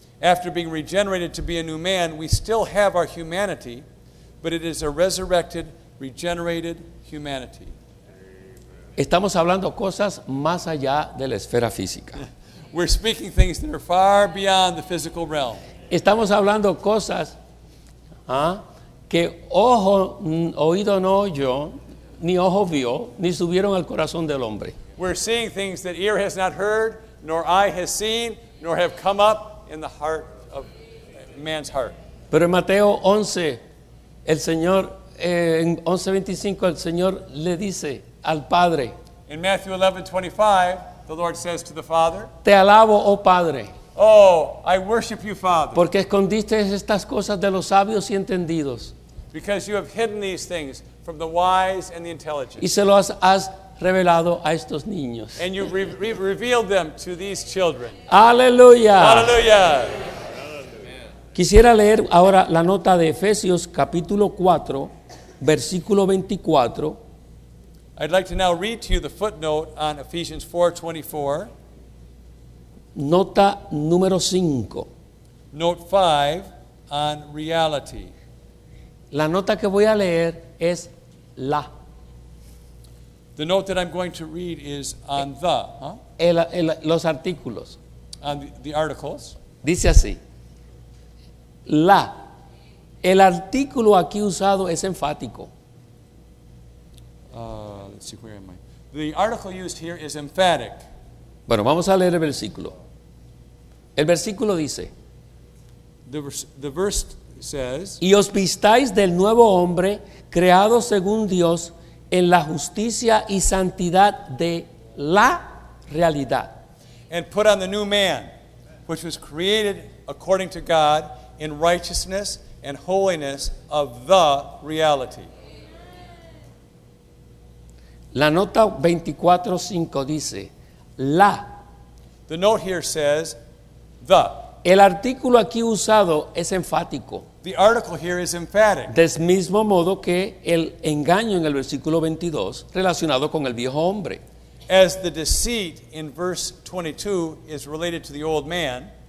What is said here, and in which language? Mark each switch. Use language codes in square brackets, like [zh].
[en] After being regenerated to be a new man, we still have our humanity, but it is a resurrected, regenerated humanity. [es] Estamos hablando cosas más allá de la esfera física. [en] We're speaking things that are far beyond the physical realm. [es] Estamos hablando cosas que ojo oído no oyó, ni ojo vio, ni subieron al corazón del hombre. [en] We're seeing things that ear has not heard, nor eye has seen, nor have come up in the heart of man's heart. [es] Pero en Mateo 11, el Señor, en 11:25, el Señor le dice al Padre. [en] In Matthew 11:25, the Lord says to the Father, [es] te alabo, oh Padre. [en] Oh, I worship you, Father. [es] Porque escondiste estas cosas de los sabios y entendidos. [en] Because you have hidden these things from the wise and the intelligent. [es] Y se lo has revelado a estos niños. [en] And you revealed them to these children. [es] Aleluya. Aleluya. Quisiera leer ahora la nota de Efesios capítulo 4, versículo 24. [en] I'd like to now read to you the footnote on Ephesians 4:24. [es] Nota número 5. [en] Note 5 on reality. [es] La nota que voy a leer es la. [en] The note that I'm going to read is on the, huh? [es] Los artículos. [en] On the articles. [es] Dice así. La. El artículo aquí usado es enfático. [en] Let's see, where am I? The article used here is emphatic. [es] Bueno, vamos a leer el versículo. El versículo dice. [en] The verse says. [es] Y os vistáis del nuevo hombre, creado según Dios, en la justicia y santidad de la realidad. [en] And put on the new man, which was created according to God, in righteousness and holiness of the reality. [es] La nota 24:5 dice, la. [en] The note here says, the. [es] El artículo aquí usado es enfático. [en] The article here is emphatic. [es] Del mismo modo que el engaño en el versículo 22 relacionado con el viejo hombre. [en] As the deceit in verse 22 is related to the old man.